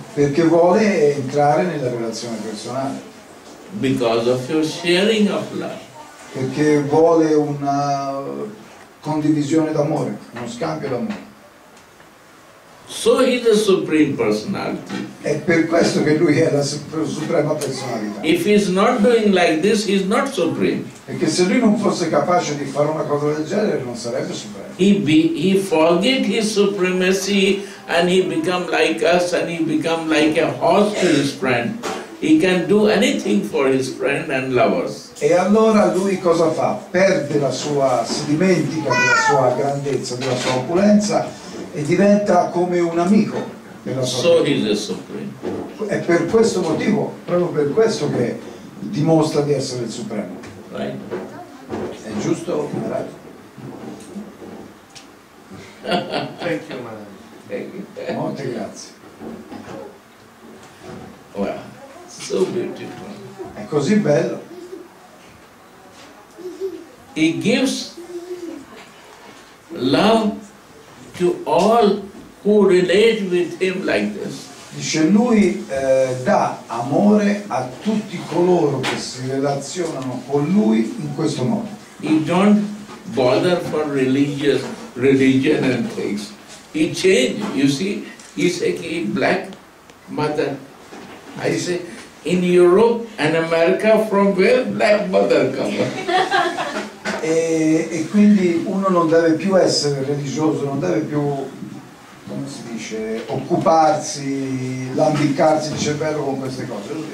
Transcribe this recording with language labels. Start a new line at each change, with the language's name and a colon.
Italian: Perché vuole entrare nella relazione personale.
English: Because of your sharing of love.
Italian: Perché vuole una condivisione d'amore, uno scambio d'amore.
English: So he is the supreme personality.
Italian: È per questo che lui è la suprema personalità.
English: If he is not doing like this, he is not supreme.
Italian: Perché se lui non fosse capace di fare una cosa del genere, non sarebbe supremo.
English: He forget his supremacy and he become like us and he become like a horse to his friend. He can do anything for his friend and lovers.
Italian: E allora lui cosa fa? Perde la sua, si dimentica della sua grandezza, della sua opulenza. E diventa come un amico della sua
English: vita. So supreme.
Italian: È per questo motivo, proprio per questo che dimostra di essere il supremo.
English: Right.
Italian: È giusto?
English: Thank you, Maharaj. Thank you.
Italian: Molte grazie.
English: Wow. So beautiful.
Italian: È così bello.
English: He gives love to all who relate with him like this.
Italian: Dice lui dà amore a tutti coloro che si relazionano con lui in questo modo.
English: He don't bother for religion and things. He change, you see, he say he black mother. I say in Europe and America from where black mother come.
Italian: E quindi uno non deve più essere religioso, non deve più, come si dice, occuparsi, lambicarsi il cervello con queste cose.